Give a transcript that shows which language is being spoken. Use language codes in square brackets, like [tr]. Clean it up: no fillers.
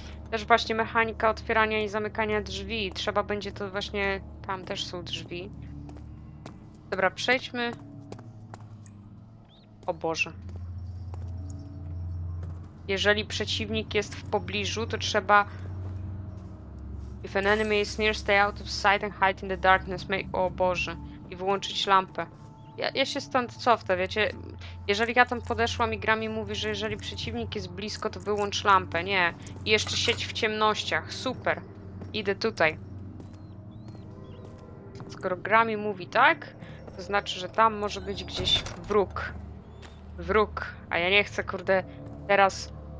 [pl] Też właśnie mechanika otwierania i zamykania drzwi. Trzeba będzie to właśnie... Tam też są drzwi. Dobra, przejdźmy. O Boże. Jeżeli przeciwnik jest w pobliżu, to trzeba... [en] If an enemy is near, stay out of sight and hide in the darkness. [pl] O Boże. I wyłączyć lampę. Ja się stąd cofnę, wiecie? Jeżeli ja tam podeszłam i gra mi mówi, że jeżeli przeciwnik jest blisko, to wyłącz lampę. Nie. I jeszcze sieć w ciemnościach. Super. Idę tutaj. Skoro gra mi mówi tak, to znaczy, że tam może być gdzieś wróg. A ja nie chcę, kurde... Teraz